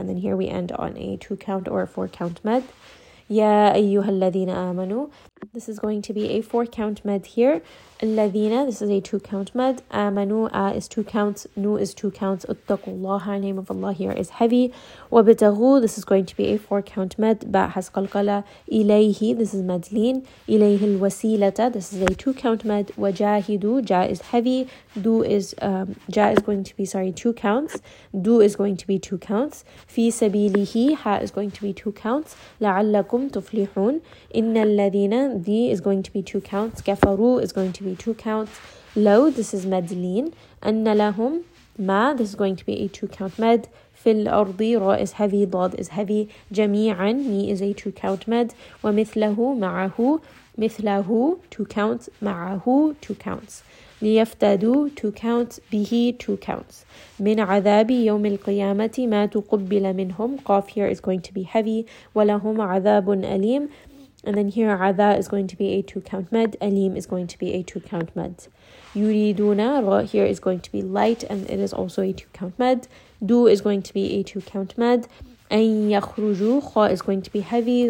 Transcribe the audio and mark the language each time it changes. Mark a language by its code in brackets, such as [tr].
[en] And then here we end on a 2-count or a 4-count med. [ar] يَا أَيُّهَا الَّذِينَ آمَنُوا [en] this is going to be a 4-count med here. الَّذِينَ this is a 2-count med. آمَنُوا آ is 2 counts. نُو is 2 counts. [ar] اتَّقُوا اللَّهَ [en] name of Allah here is heavy. وَبِتَغُوا this is going to be a 4-count med. [ar] بَا has قَلْقَلَ إِلَيْهِ [en] this is [ar] مَدْلِين. إِلَيْهِ الْوَسِيلَةَ [en] this is a 2-count med. وَجَاهِدُوا جَا is heavy. دُو is جَا is going to be 2 counts. دُو is going to be 2 counts. [ar] فِي سَبِيلِهِ [en] هَا is going to be 2 counts. [ar] لَعَلَّكُمْ تُفْلِحُونَ إِنَّ الَّذِينَ [en] ذِي is going to be 2 counts. كَفَرُوا is going to be 2 counts. لَوْ this is مَدْلِين. [ar] أَنَّ لَهُمْ [en] ما, this is going to be a two count med. [ar] في الأرض, [en] را is heavy, ضاد is heavy. جميعا, مي is a two count med. ومثله, معه, مثله, two counts, معه, two counts. ليفتدوا, two counts, به, two counts. [ar] من عذاب يوم القيامة ما تقبل منهم. [en] قاف here is going to be heavy. [ar] ولهم عذاب أليم. [en] And then here, عذا is going to be a two count med. أليم is going to be a two count med. يريدون, را here is going to be light, and it is also a two count med. Do is going to be a two count med. أن يخرجوا, خا is going to be heavy.